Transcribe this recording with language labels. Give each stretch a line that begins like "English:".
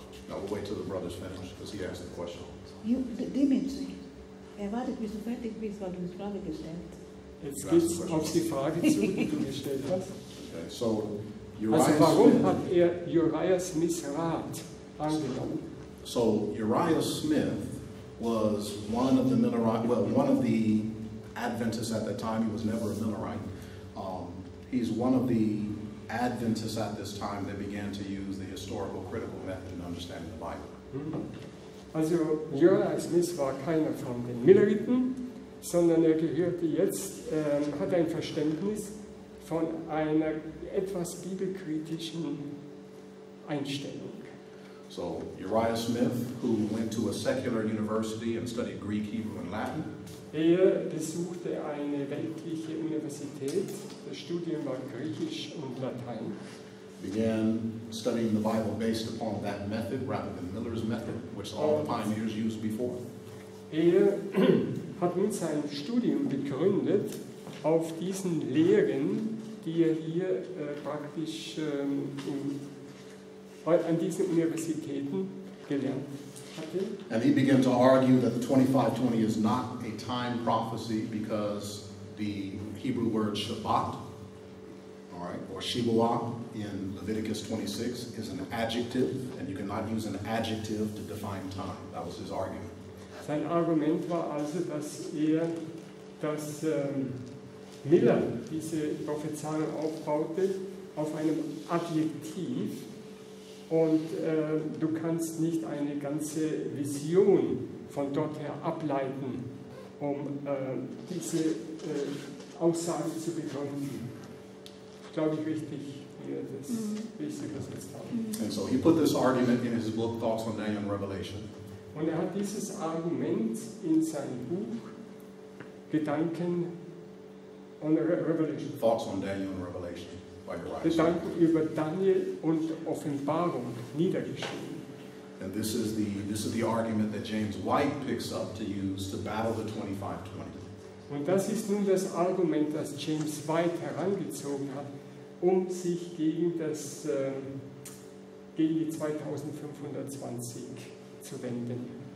English: I will wait till the brothers finish, because he asked the question.
German: You, Dimitri, er war der Bischof fertig, wie es war, du hast Frage gestellt. Jetzt geht es auf die Frage zu, die du gestellt hast.
English: Okay, so,
German: also warum hat er Uriah Smiths Rat angenommen?
English: So, Uriah Smith was one of the Millerite, well, one of the Adventists at that time. He was never a Millerite. He's one of the Adventists at this time that began to use the historical critical method in understanding the Bible.
German: Also, Uriah Smith war keiner von den Milleriten, sondern er gehörte jetzt, hat ein Verständnis von einer etwas bibelkritischen Einstellung.
English: So, Uriah Smith, who went to a secular university and studied Greek, Hebrew and Latin.
German: Er besuchte eine weltliche Universität. Das Studium war Griechisch und Latein.
English: Began studying the Bible based upon that method rather than Miller's method, which all the pioneers used before.
German: Er hat nun sein Studium begründet auf diesen Lehren, die er hier praktisch an diesen Universitäten gelernt hat.
English: And he began to argue that the 2520 is not a time prophecy because the Hebrew word Shabbat, all right, or Shibuah in Leviticus 26 is an adjective, and you cannot use an adjective to define time. That was his argument.
German: Sein Argument war also, dass er, dass Miller diese Prophezeiung aufbaute auf einem Adjektiv. Und du kannst nicht eine ganze Vision von dort her ableiten, um diese Aussage zu begründen. Ich glaube, ich richtig hier das richtig übersetzt habe.
English: And so he put this argument in his book Thoughts on Daniel and Revelation.
German: Und er hat dieses Argument in seinem Buch Gedanken
English: on Revelation. Thoughts on Daniel and Revelation.
German: Gedanken über Daniel und Offenbarung niedergeschrieben.
English: And this is the argument that James White picks up to use to battle the 2520.
German: Und das ist nun das Argument, das James White herangezogen hat, um sich gegen das gegen die 2520 zu wenden.